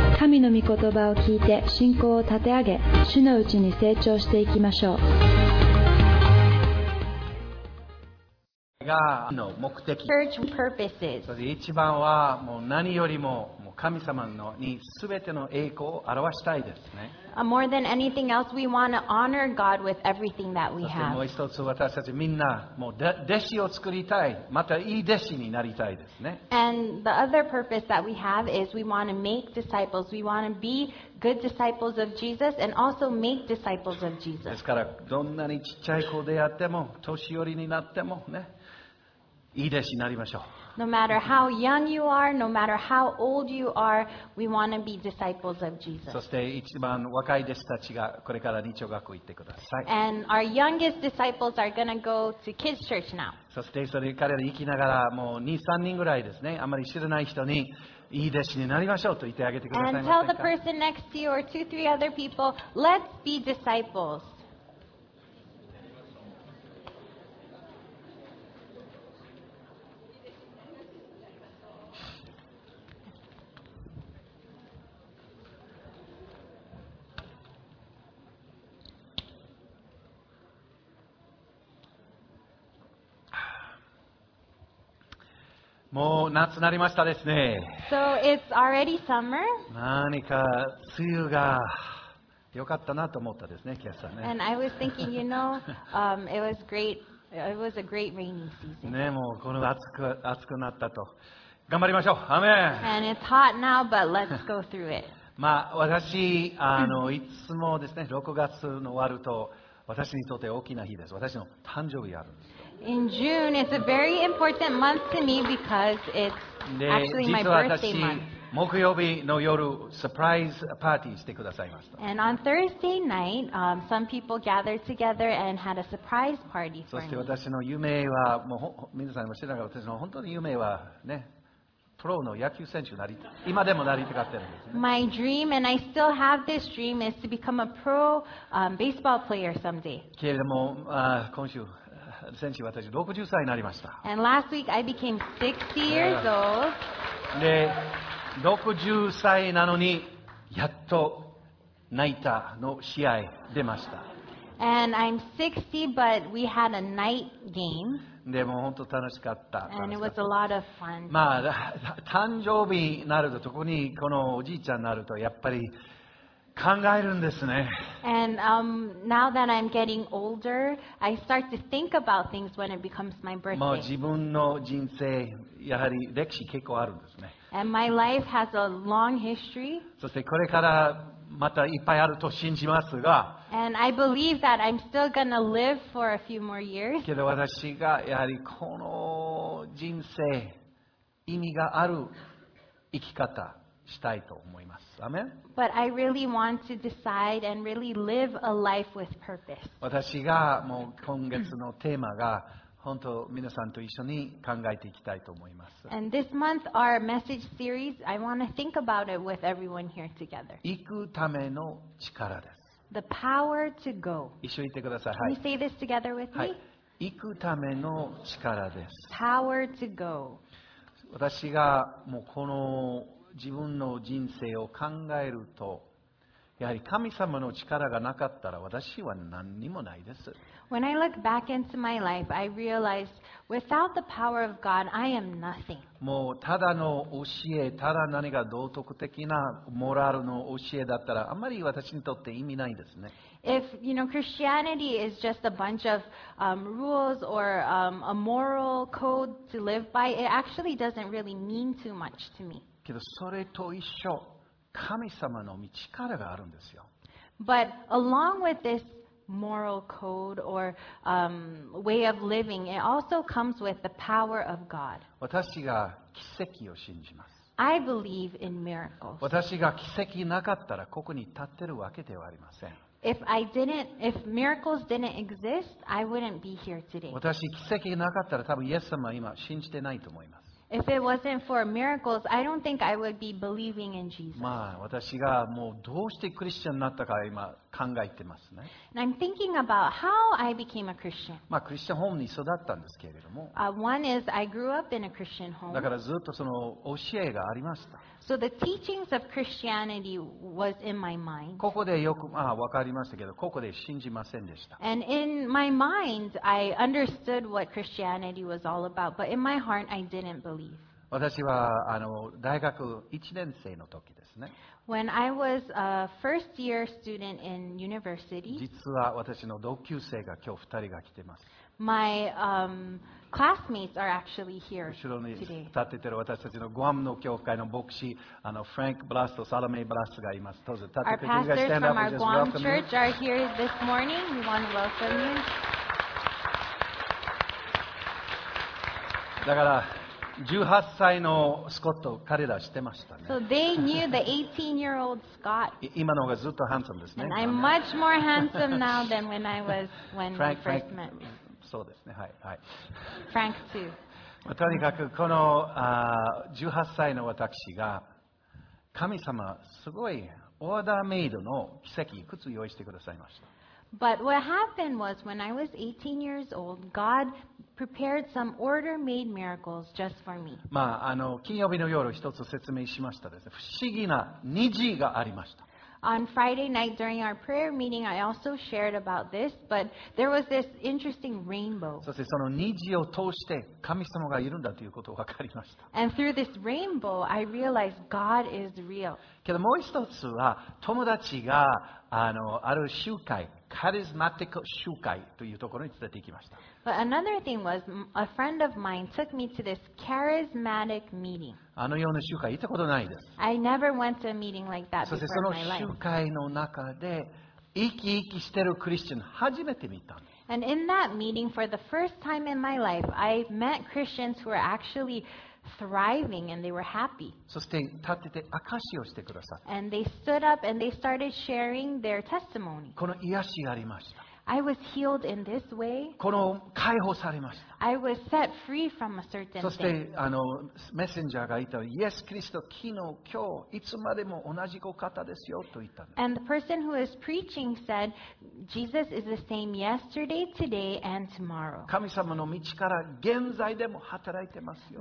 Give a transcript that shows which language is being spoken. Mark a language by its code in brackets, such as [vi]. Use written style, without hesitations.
[ja] 神の御言葉を聞いて信仰を立て上げ、主のうちに成長していきましょう。がの目的、 [en] Church purposes. [ja] それで一番はもう何よりも神様のに全ての栄光を表したいですね。 [en] More than anything else, we want to honor God with everything that we have. [ja] そしてもう一つ私たちみんなもう弟子を作りたい、またいい弟子になりたいですね。 [en] And the other purpose that we have is we want to make disciples. We want to be good disciples of Jesus and also make disciples of Jesus. [ja] ですからどんなにちっちゃい子であっても年寄りになってもね、いい弟子になりましょう。 [en] No matter how young you are, no matter how old you are, we want to be disciples of Jesus. [ja] そして一番若い弟子たちがこれから日曜学校行ってください。 [en] And our youngest disciples are going to go to kids' church now. [ja] そしてそれ彼ら行きながらもう2、3人ぐらいですね、あまり知らない人にいい弟子になりましょうと言ってあげてくださいませんか。 [en] And tell the person next to you or two, three other people, let's be disciples. [ja] もう夏になりましたですね。 [en] So it's already summer. [ja] 何か梅雨が良かったなと思ったですね、今朝ね。 [en] And I was thinking, you know, it was great. It was a great rainy season. [ja] ね、もうこの暑くなったと、頑張りましょう。アメン。 [en] And it's hot now, but let's go through it. [ja] まあ私いつもですね、6月の終わると私にとって大きな日です。私の誕生日があるんです。 [en] In June, it's a very important month to me because it's actually my birthday month. [ja] 実は私、木曜日の夜、サプライズパーティーしてくださいました。 [en] And on Thursday night, some people gathered together and had a surprise party for me. [ja] そして私の夢は、もう皆さんも知らないが、私の本当の夢はね、プロの野球選手になり、今でもなりたがってるんですね。 [en] My dream, and I still have this dream, is to become a pro, baseball player someday. [ja] けれども、今週、先週私60歳になりました。 [en] And last week I became 60 years old. [ja] で、60歳なのに、やっと泣いたの試合出ました。 [en] And I'm 60, but we had a night game. [ja] でも本当楽しかった。 [en] And it was a lot of fun. [ja] まあ、誕生日になると、特にこのおじいちゃんになると、やっぱり考えるんですね。 [en] And now that I'm getting older, I start to think about things when it becomes my birthday. [ja] もう自分の人生、やはり歴史結構あるんですね。 [en] And my life has a long history. [ja] そしてこれからまたいっぱいあると信じますが。 [en] And I believe that I'm still gonna live for a few more years. [ja] けど私がやはりこの人生、意味がある生き方。したいと思います。アメン。 [en] But I really want to decide and really live a life with purpose. [ja] 私がもう今月のテーマが本当皆さんと一緒に考えていきたいと思います。 [en] And this month our message series, I want to think about it with everyone here together. [ja] 行くための力です。 [en] The power to go. [ja] 一緒に言ってください。 [en] Can you say this together with me? [ja] 行くための力です。 [en] Power to go. [ja] 私がもうこの自分の人生を考えるとやはり神様の力がなかったら私は何にもないです。 [en] When I look back into my life, I realize without the power of God, I am nothing. [ja] もうただの教え、ただ何か道徳的なモラルの教えだったらあまり私にとって意味ないですね。 [en] If you know Christianity is just a bunch of rules or a moral code to live by, it actually doesn't really mean too much to me. [ja] けどそれと一緒、神様の道からがあるんですよ。 [en] But along with this moral code or way of living, it also comes with the power of God. [ja] 私が奇跡を信じます。 [en] I believe in miracles. [ja] 私が奇跡なかったらここに立ってるわけではありません。 [en] If miracles didn't exist, I wouldn't be here today. [ja] 私奇跡なかったら多分イエス様は今信じてないと思います。 [en] If it wasn't for miracles, I don't think I would be believing in Jesus. [ja] まあ、私がもうどうしてクリスチャンになったか今考えてますね。 [en] And I'm thinking about how I became a Christian. [ja] まあ、クリスチャンホームに育ったんですけれども。 [en] One is I grew up in a Christian home. [ja] だからずっとその教えがありました。 [en] So the teachings of Christianity was in my mind. [ja] ここでよくまあ分かりましたけど、ここで信じませんでした。 [en] And in my mind, I understood what Christianity was all about, but in my heart, I didn't. [ja] 私はあの大学1年生の時ですね。 [en] When I was a first year student in university, [ja] 実は私の同級生が今日2人が来ています。 [en] My classmates are actually here today. [ja] 後ろに立っている私たちのグアムの教会の牧師、あのフランク・ブラスト、サロメ・ブラストがいます。どうぞ立ってください。 [en] Our pastors from our Guam church are here this morning. We want to welcome you. [ja] だから18歳のスコット彼ら知ってましたね。 [en] So they knew the 18-year-old Scott. [ja] 今の方がずっとハンサムですね。 [en] And I'm much more handsome now than when I was when Frank, we first met. [ja] そうですね、はいはい。 [en] Frank too. [ja] まあ、とにかくこの18歳の私が神様すごいオーダーメイドの奇跡靴を用意してくださいました。 [en] But what happened was when I was 18 years old, God prepared some order-made miracles just for me. [ja] まあ、あの、金曜日の夜一つ説明しましたですね。不思議な虹がありました。 [en] On Friday night during our prayer meeting, I also shared about this, but there was this interesting rainbow. [ja] そしてその虹を通して神様がいるんだということを分かりました。 [en] And through this rainbow, I realized God is real. [ja] けどもう一つは友達が ある集会、カリスマティック集会というところに連れて行きました。 [en] But another thing was, a friend of mine took me to this charismatic meeting. [ja] あのような集会行ったことないです。 [en] I never went to a meeting like that before in my life. [ja] そしてその集会の中で生き生きしてるクリスチャン初めて見たんです。 [en] And in that meeting, for the first time in my life, I met Christians who were actually thriving and they were happy. [ja] そして立てて証しをしてくださった。 [en] And they stood up and they started sharing their testimony. [ja] この癒しがありました。 [en] I was healed in this way. [ja] この解放されました。 [en] I was set free from a certain thing. [ja] そしてあのメッセンジャーが言ったイエス・キリスト昨日今日いつまでも同じお方ですよと言ったんです。 [en] And the person who is preaching said, Jesus is the same yesterday, today, and tomorrow. [ja] 神様の道から現在でも働いてますよ。